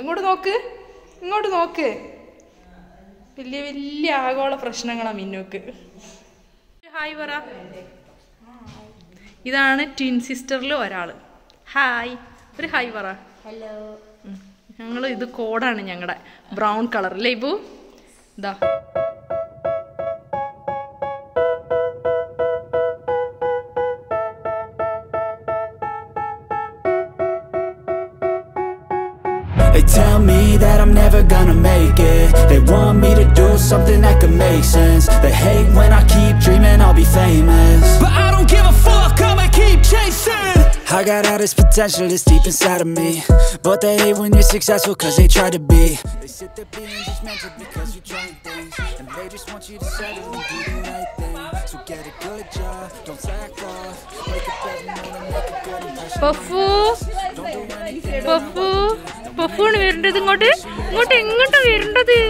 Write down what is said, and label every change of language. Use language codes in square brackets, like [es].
[ml] ഇങ്ങോട്ട് നോക്ക്, ഇങ്ങോട്ട് നോക്ക്. വലിയ വലിയ ആഗോള പ്രശ്നങ്ങളാ മിന്നുക്ക്. ഹായ് പറ. ഇതാണ് ട്വിൻ സിസ്റ്ററിൽ ഒരാൾ. ഹായ്, ഒരു ഹായ് പറ. ഹലോ. ഞങ്ങൾ ഇത് കോടാണ്, ഞങ്ങളുടെ ബ്രൗൺ കളർ അല്ലേ ഇബു. ഇതാ [en] Tell me that I'm never gonna make it. They want me to do something that could make sense. They hate when I keep dreaming I'll be famous. But I don't give a fuck, I'ma keep chasing. I got all this potential that's deep inside of me. But they hate when you're successful cause they try to be. They sit there being judgmental because you're trying things. And they just want you to settle and do the right thing. So get a good job, don't slack off. Make it better, make a good impression. [ml] Puffu, Puffu, പഫുവാണ് വരേണ്ടത്. ഇങ്ങോട്ട് ഇങ്ങോട്ട് എങ്ങോട്ടാ വരേണ്ടത്?